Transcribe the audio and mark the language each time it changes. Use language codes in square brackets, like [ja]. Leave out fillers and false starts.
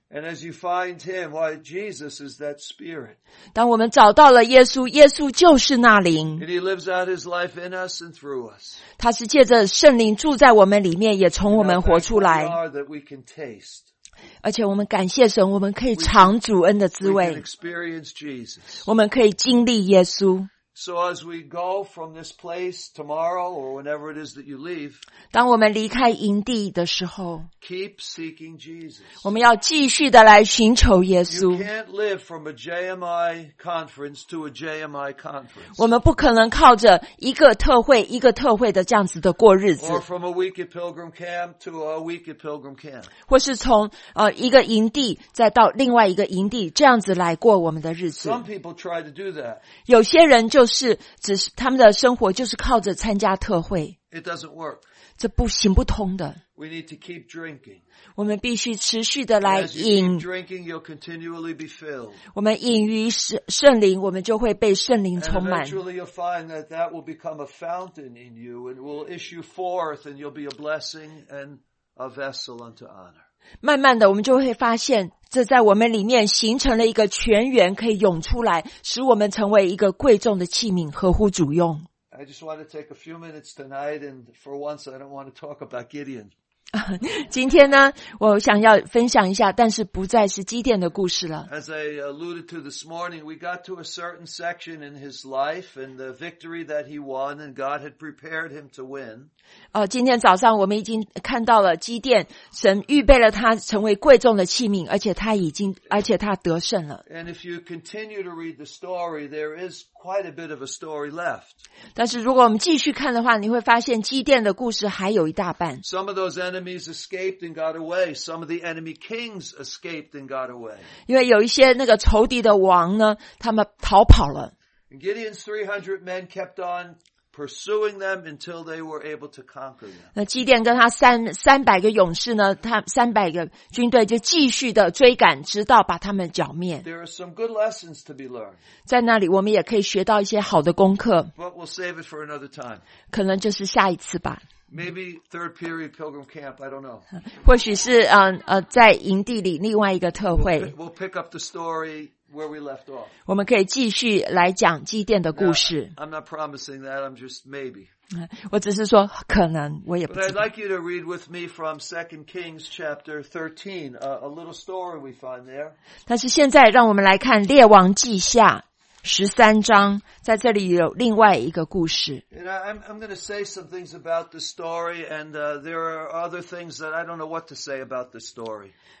[en] And as you find him, why, Jesus is that spirit. [zh] 当我们找到了耶稣，耶稣就是那灵。 [en] And he lives out his life in us and through us. [zh] 他是借着圣灵住在我们里面，也从我们活出来。 [en] And now that we can taste. [zh] 而且我们感谢神，我们可以尝主恩的滋味。我们可以经历耶稣。 [en] So as we go from this place tomorrow or whenever it is that you leave, [zh] 当我们离开营地的时候， [en] keep seeking Jesus. [zh] 我们要继续的来寻求耶稣。 [en] You can't live from a JMI conference to a JMI conference. [zh] 我们不可能靠着一个特会一个特会的这样子的过日子。 [en] Or from a week at Pilgrim Camp to a week at Pilgrim Camp. [zh] 或是从一个营地再到另外一个营地这样子来过我们的日子。 [en] Some people try to do that. [zh] 有些人就是只是他们的生活就是靠着参加特会。 [en] It doesn't work. [zh] 这不行不通的。 [en] We need to keep drinking. [zh] 我们必须持续的来饮。 [en] As you keep drinking, you'll continually be filled. [zh] 我们饮于圣灵，我们就会被圣灵充满。 [en] And eventually you'll find that that will become a fountain in you and will issue forth and you'll be a blessing and a vessel unto honor. [zh] 慢慢的我们就会发现这在我们里面形成了一个泉源，可以涌出来，使我们成为一个贵重的器皿，合乎主用。 [en] I just want to take a few minutes tonight, and for once, I don't want to talk about Gideon. [zh] 今天呢，我想要分享一下，但是不再是基甸的故事了。 [en] As I alluded to this morning, we got to a certain section in his life and the victory that he won, and God had prepared him to win. [zh] 今天早上我们已经看到了基甸，神预备了他成为贵重的器皿，而且他得胜了。 [en] And if you continue to read the story, there is quite a bit of a story left. [zh] 但是如果我们继续看的话，你会发现基甸的故事还有一大半。 [en] Some of those enemies enemies escaped and got away. Some of the enemy kings escaped and got away. [zh] 因为有一些那个仇敌的王呢，他们逃跑了。 [en] And Gideon's 300 men kept on pursuing them until they were able to conquer them. [zh] 那基甸跟他300个勇士呢，他300个军队就继续的追赶，直到把他们剿灭。 [en] There are some good lessons to be learned. [zh] 在那里，我们也可以学到一些好的功课。 [en] But we'll save it for another time. [zh] 可能就是下一次吧。 [en] Maybe third period pilgrim camp, I don't know. [zh] 或许是在营地里另外一个特会。 [en] We'll pick up the story where we left off. [zh] 我们可以继续来讲基甸的故事。 [en] Now, I'm not promising that, I'm just maybe. [zh] 我只是说可能我也不知道。 [en] But I'd like you to read with me from 2 Kings chapter 13, a little story we find there. [zh] 但是现在让我们来看列王记下。13章在这里有另外一个故事。 [en] I'm going to say some things about the story, and there are other things that I don't know what to say about the story.